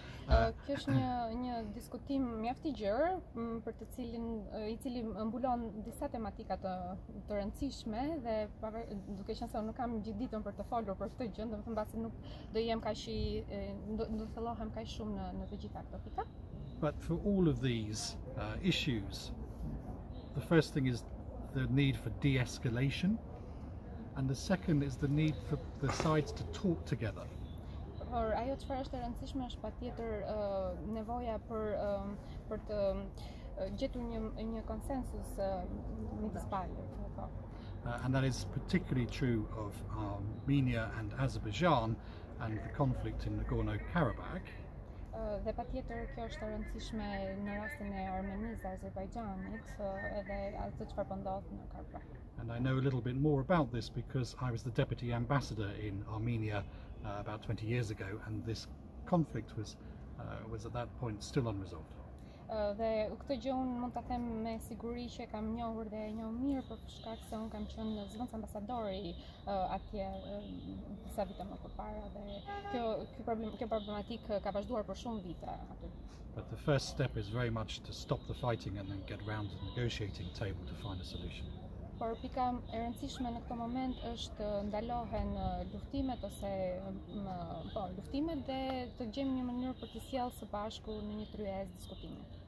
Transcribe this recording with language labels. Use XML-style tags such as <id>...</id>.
<sq>Kjo është një diskutim mjaft i gjerë për të cilin i cili mbulon disa tematika të rëndësishme dhe duke qenë se unë nuk kam gjithë ditën për të folur për këtë gjë, do të them pasi nuk do jem kaq i do të thellohem kaq shumë në të gjitha këto pika.</sq> <en>But for all of these issues, the first thing is the need for de-escalation, and the second is the need for the sides to talk together.</en> <sq>Por ajo çfarë është e rëndësishme është patjetër nevoja për të gjetur një konsensus midis palëve.</sq> <en>And that is particularly true of Armenia and Azerbaijan and the conflict in Nagorno-Karabakh.</en> <sq>Dhe patjetër kjo është e rëndësishme në rastin e Armenisë dhe Azerbajxhanit, edhe ato çfarë po ndodh në Karabakh.</sq> <en>And I know a little bit more about this because I was the deputy ambassador in Armenia about 20 years ago, and this conflict was at that point still unresolved.</en> <sq>Dhe këtë gjë unë mund ta them me siguri që e kam njohur dhe e njoh mirë për shkak se unë kam qenë në zëvendës ambasadori atje sa vite më përpara dhe kjo problematikë ka vazhduar për shumë vite aty.</sq> <en>But the first step is very much to stop the fighting and then get round to the negotiating table to find a solution.</en> <sq>Por pika e rëndësishme në këtë moment është ndalohen luftimet ose luftimet dhe të gjejmë një mënyrë për të sjellë së bashku në një tryezë diskutimi.</sq>